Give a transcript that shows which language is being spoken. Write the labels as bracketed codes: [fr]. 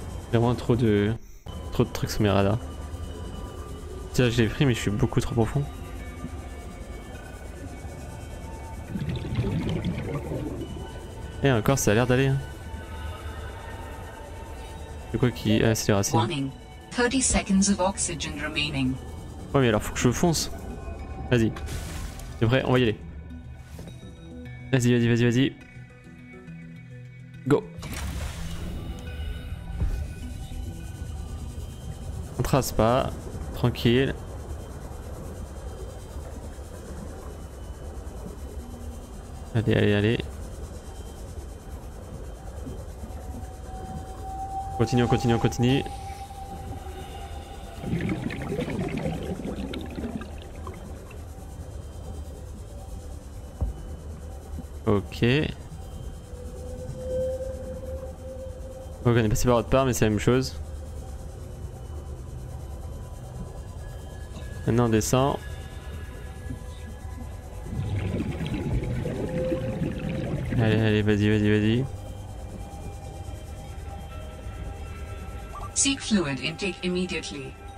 [fr] Vraiment trop de trucs sur mes radars. Tiens, j'ai pris, mais je suis beaucoup trop profond. Et encore, ça a l'air d'aller. Du coup, qui ah, c'est les racines. [en] 30 seconds of oxygen remaining. [fr] Ouais, mais alors faut que je fonce. Vas-y. T'es prêt? On va y aller. Vas-y, vas-y, vas-y, vas-y. Go. On trace pas. Tranquille. Allez, allez, allez. Continue, on continue, on continue. Ok. Ok, on est passé par autre part, mais c'est la même chose. Maintenant, on descend. Allez, allez, vas-y, vas-y, vas-y. [en] Seek fluid intake immediately.